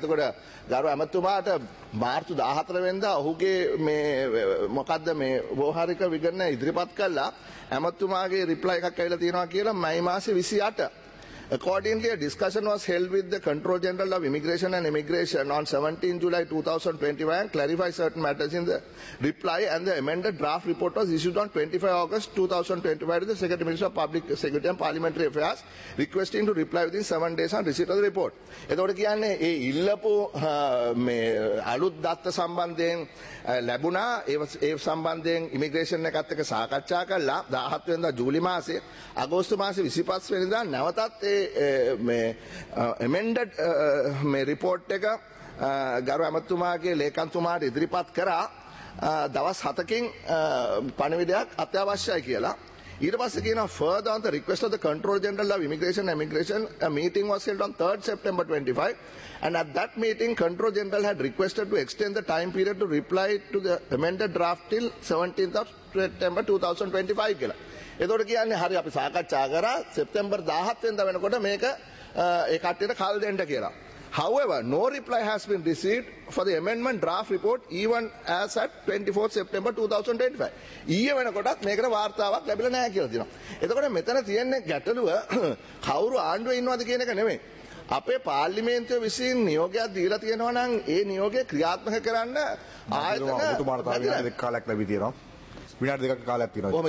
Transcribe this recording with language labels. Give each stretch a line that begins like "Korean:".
Sinhala: එතකොට ගරු ඇමතුමාට මාර්තු 14 වෙනිදා ඔහුගේ මේ මොකද්ද මේ වෝහාරික විගණන ඉදිරිපත් කළා ඇමතුමාගේ reply එකක් ඇවිල්ලා තියෙනවා කියලා මේ මාසේ 28
English: Accordingly, a discussion was held with the Control General of Immigration and Emigration on 17 July 2021 and clarified certain matters in the reply and the amended draft report was issued on 25 August 2025 to the Secretary Minister of Public Security and Parliamentary Affairs requesting to reply within 7 days on receipt of the report.
Sinhala: එතකොට කියන්නේ ඒ ඉල්ලපු මේ අලුත් දත්ත සම්බන්ධයෙන් ලැබුණා ඒ සම්බන්ධයෙන් immigration එකත් එක්ක සාකච්ඡා කළා 17 වෙනිදා ජූලි මාසයේ අගෝස්තු මාසයේ 25 වෙනිදා නැවතත් මේ amended මේ report එක ගරු ඇමතුමාගේ ලේකම්තුමාට ඉදිරිපත් කරා දවස් 7කින් පණිවිඩයක් අත්‍යවශ්‍යයි කියලා. ඊට පස්සේ කියනවා
English: further on the request of the control general of immigration and emigration a meeting was held on 3rd September 25 and at that meeting control general had requested to extend the time period to reply to the amended draft till 17th of September 2025 කියලා.
Sinhala: එතකොට කියන්නේ හරි අපි සාකච්ඡා කරා සෙප්තැම්බර් 17 වෙනිදා වෙනකොට මේක ඒ කට්ටියට කල් දෙන්න කියලා.
English: However, no reply has been received for the amendment draft report even as at 24th September 2025.
Sinhala: ඊයේ වෙනකොටත් මේකට වාර්තාවක් ලැබිලා නැහැ කියලා දිනවා. එතකොට මෙතන තියෙන්නේ ගැටලුව කවුරු ආණ්ඩුවේ ඉන්නවද කියන එක නෙමෙයි. අපේ පාර්ලිමේන්තුවේ විසින් නියෝගයක් දීලා තියෙනවා නම් ඒ නියෝගය ක්‍රියාත්මක කරන්න ආයතන විනාඩි 2ක් කාලයක් ලැබී තියෙනවා. විනාඩි 2ක් කාලයක් තියෙනවා.